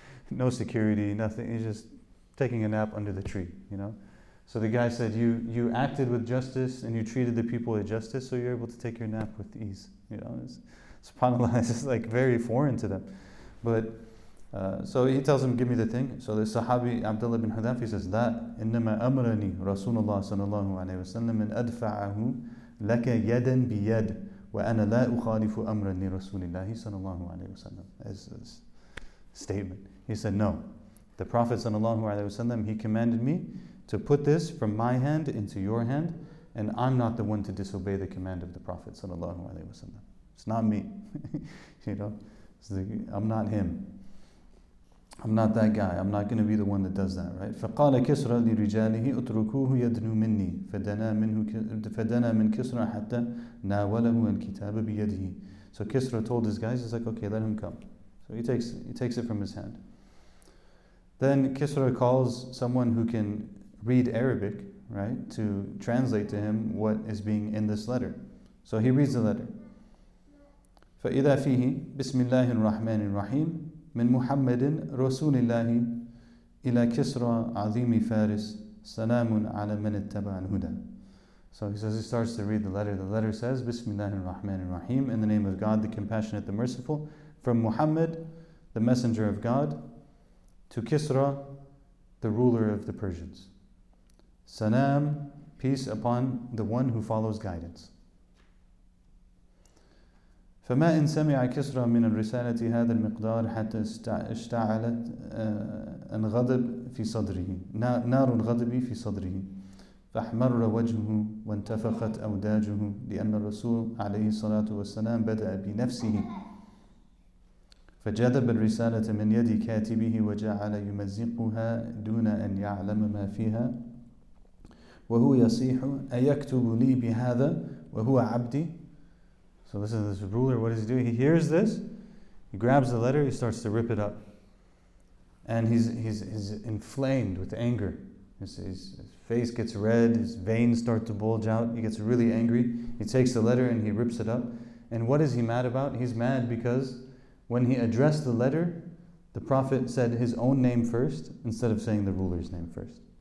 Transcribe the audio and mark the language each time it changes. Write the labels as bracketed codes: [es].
[en] No security, nothing. He's just taking a nap under the tree, you know. So the guy said, you acted with justice, and you treated the people with justice, so you're able to take your nap with ease. You know, subhanAllah, this is like very foreign to them. But so he tells him, give me the thing. So the Sahabi, Abdullah ibn Hudhaf, he says, that [ar] إِنَّمَا أَمْرَنِي رَسُولُ اللَّهِ صَلَى اللَّهُ عَلَيْهِ وَسَلَّمْ مِنْ أَدْفَعَهُ لَكَ يَدًا بِيَدٍ وَأَنَا لَا أُخَالِفُ أَمْرًا لِرَسُولِ اللَّهِ صَلَى اللَّهُ عَلَيْهِ وَسَلَّمْ. [en] It's this statement. He said, no. The Prophet صلى الله عليه وسلم, he commanded me to put this from my hand into your hand, and I'm not the one to disobey the command of the Prophet صلى الله عليه وسلم. It's not me. You know, I'm not him. I'm not that guy. I'm not going to be the one that does that, right? [ar] فَقَالَ كِسْرَ لِرِجَالِهِ أُتْرُكُوهُ يَدْنُو مِنِّي فَدَنَا مِنْ كِسْرَ حَتَّى نَاوَلَهُ الْكِتَابَ بِيَدْهِ. [en] So Kisra told his guys, he's like, okay, let him come. So he takes it from his hand. Then Kisra calls someone who can read Arabic, right, to translate to him what is being in this letter. So he reads the letter. [ar] فَإِذَا فِيهِ بِسْمِ اللَّهِ الرَّحْمَنِ الرَّحِيمِ من محمد رسول الله إلى كسرى عظيم فارس سلام على من اتبع الهدى. [en] So he says, he starts to read the letter. The letter says, Bismillah ar-Rahman ar-Rahim, in the name of God, the Compassionate, the Merciful, from Muhammad, the Messenger of God, to Kisra, the ruler of the Persians. Salam, peace upon the one who follows guidance. [ar] فما إن سمع كسرى من الرسالة هذا المقدار حتى اشتعلت الغضب في صدره نار الغضب في صدره فأحمر وجهه وانتفخت أوداجه لأن الرسول عليه الصلاة والسلام بدأ بنفسه فجذب الرسالة من يد كاتبه وجعل يمزقها دون أن يعلم ما فيها وهو يصيح أيكتب لي بهذا وهو عبدي. [en] So listen to this ruler, what does he do? He hears this, he grabs the letter, he starts to rip it up. And he's inflamed with anger. His face gets red, his veins start to bulge out, he gets really angry. He takes the letter and he rips it up. And what is he mad about? He's mad because when he addressed the letter, the Prophet said his own name first instead of saying the ruler's name first.